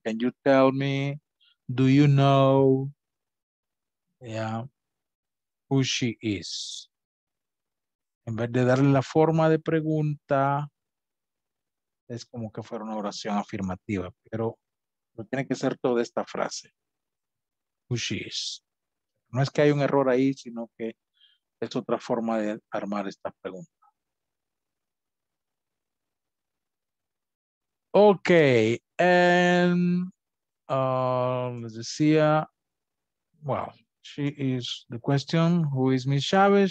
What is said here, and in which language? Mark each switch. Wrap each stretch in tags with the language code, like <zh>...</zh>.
<en>Can you tell me, do you know, yeah, who she is?</en> <es>En vez de darle la forma de pregunta, es como que fuera una oración afirmativa, pero tiene que ser toda esta frase.</es> <en>Who she is.</en> <es>No es que haya un error ahí, sino que es otra forma de armar esta pregunta.</es> <en>Ok, and</en> <es>les decía,</es> <en>well, she is the question, who is Miss Chavez?</en>